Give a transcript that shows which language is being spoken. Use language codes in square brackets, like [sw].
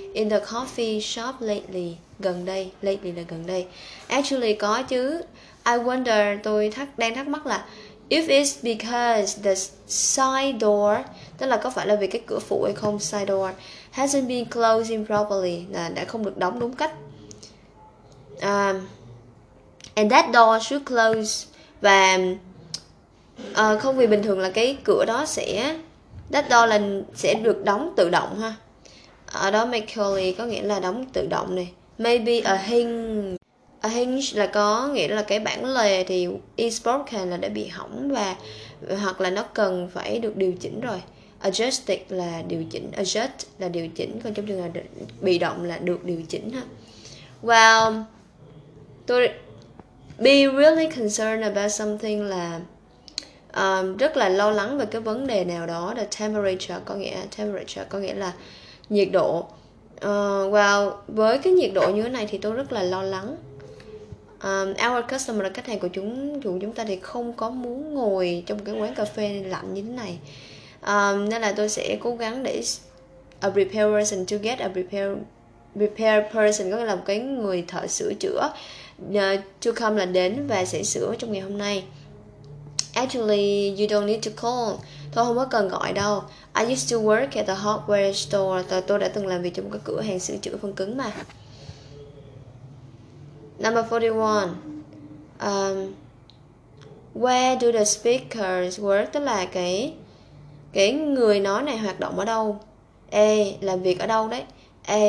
[en] In the coffee shop lately, [vi] gần đây, [en] lately [vi] là gần đây. Actually có chứ. [en] I wonder, [vi] tôi đang thắc mắc là [en] if it's because the side door, [vi] tức là có phải là vì cái cửa phụ hay không, [en] side door hasn't been closing properly, [vi] là đã không được đóng đúng cách. [en] And that door should close. [vi] Và không, vì bình thường là cái cửa đó sẽ, [en] that door [vi] là sẽ được đóng tự động ha. Ở đó mechanically có nghĩa là đóng tự động này. [en] Maybe a hinge [vi] là có nghĩa là cái bản lề thì [en] is broken [vi] là đã bị hỏng và hoặc là nó cần phải được điều chỉnh rồi. Adjusted là điều chỉnh, adjust là điều chỉnh, còn trong trường hợp bị động là được điều chỉnh ha. Well, tôi [en] be really concerned about something [vi] là rất là lo lắng về cái vấn đề nào đó, [en] the temperature [vi] có nghĩa, temperature có nghĩa là nhiệt độ. Well, với cái nhiệt độ như thế này thì tôi rất là lo lắng. [en] Our customer [vi] là khách hàng của chúng ta thì không có muốn ngồi trong cái quán cà phê lạnh như thế này. Nên là tôi sẽ cố gắng để [en] a repair person to get a repair person có nghĩa là một cái người thợ sửa chữa to come [vi] là đến và sẽ sửa trong ngày hôm nay. [en] Actually, you don't need to call. [vi] Thôi không có cần gọi đâu. [en] I used to work at the hardware store. [vi] Tôi đã từng làm việc trong cái cửa hàng sửa chữa phần cứng mà. [en] Number 41. Where do the speakers work? [vi] Tức là cái người nói này hoạt động ở đâu? A. Làm việc ở đâu đấy? A.